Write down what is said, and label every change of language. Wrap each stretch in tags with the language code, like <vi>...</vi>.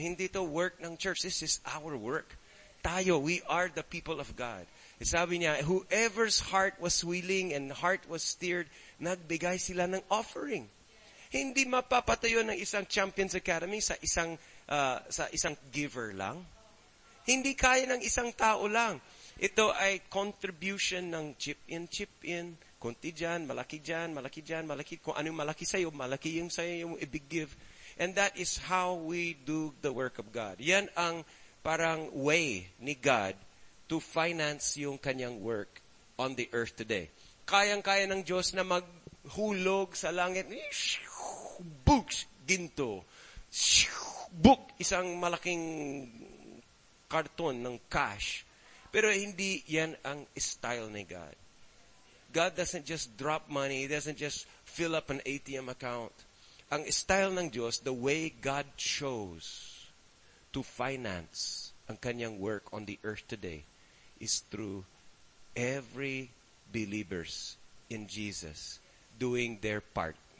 <tl>Hindi ito work ng church.</tl> <en>This is our work.</en> <tl>Tayo,</tl> <en>we are the people of God.</en> <tl>Sabi niya,</tl> <en>whoever's heart was willing and heart was steered,</en> <tl>nagbigay sila ng offering. Hindi mapapatayo ng isang Champions Academy sa isang giver lang. Hindi kaya ng isang tao lang. Ito ay contribution ng chip in. Konti dyan, malaki. Kung ano yung malaki sa'yo, malaki yung sa'yo yung ibig-give.</tl> <en>And that is how we do the work of God.</en> <tl>Yan ang parang way ni God to finance yung kanyang work on the earth today. Kayang-kaya ng Diyos na maghulog sa langit. Books, ginto. Book, isang malaking karton ng cash. Pero hindi yan ang style ni God.</tl> <en>God doesn't just drop money. He doesn't just fill up an ATM account.</en> <tl>Ang style ng Diyos,</tl> <en>the way God chose to finance</en> <tl>ang kanyang</tl> <en>work on the earth today is through every believers in Jesus doing their part.</en>